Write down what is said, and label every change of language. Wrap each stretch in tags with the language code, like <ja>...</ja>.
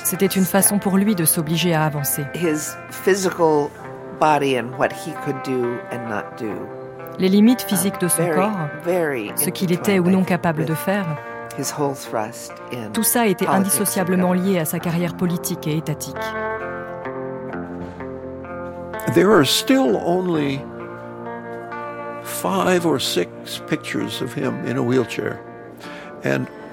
<fr>C'était une façon pour lui de s'obliger à avancer.</fr> <en>His physical body and what he could do and not do.</en> <fr>Les limites physiques de son corps, ce qu'il était ou non capable de faire, tout ça était indissociablement lié à sa carrière politique et étatique.</fr> <en>There are still only 5 or 6 pictures of him in a wheelchair. And</en>